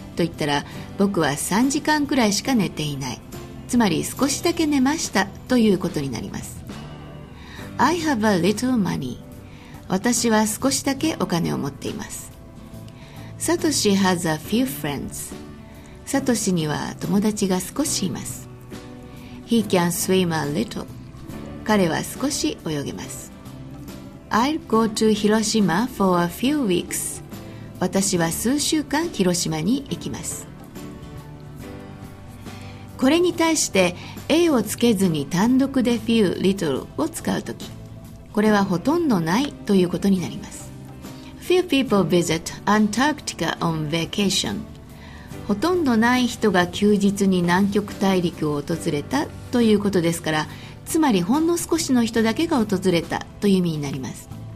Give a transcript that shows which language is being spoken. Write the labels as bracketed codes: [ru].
[ja] と言ったら、僕は3時間くらいしか寝ていない、つまり少しだけ寝ましたということになります。 [en] I have a little money、 [ja] 私は少しだけお金を持っています。サトシ [en] has a few friends、 [ja] サトシには友達が少しいます。 [en] He can swim a little、 [ja] 彼は少し泳げます。 [en] I'll go to Hiroshima for a few weeks、 [ja] 私は数週間広島に行きます。これに対して A をつけずに単独で few little を使うとき、これはほとんどないということになります。 [en] Few people visit Antarctica on vacation、 [ja] ほとんどない人が休日に南極大陸を訪れたということですから、つまりほんの少しの人だけが訪れたという意味になります。